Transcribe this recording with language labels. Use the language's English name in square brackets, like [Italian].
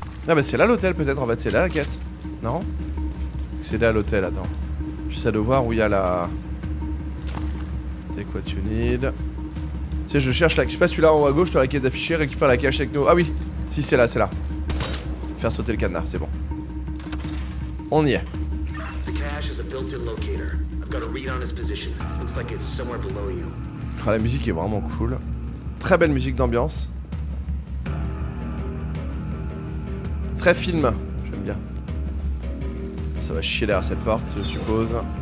[French] Ah bah c'est là l'hôtel, peut-être, en fait, c'est là la quête. Non? C'est là l'hôtel, attends. J'essaie de voir où il y a la... C'est quoi tu need? Tu sais, je cherche la... Je sais pas, celui-là en haut à gauche, tu as la quête d'afficher, récupère la cache techno. Ah oui! Si, c'est là, c'est là. Faire sauter le cadenas, c'est bon. On y est. [English] The cache is a built-in locator. I've got a read on its position. Looks like it's somewhere below you. [French] Ah, la musique est vraiment cool. Très belle musique d'ambiance. Très film. J'aime bien. Ça va chier derrière cette porte, je suppose.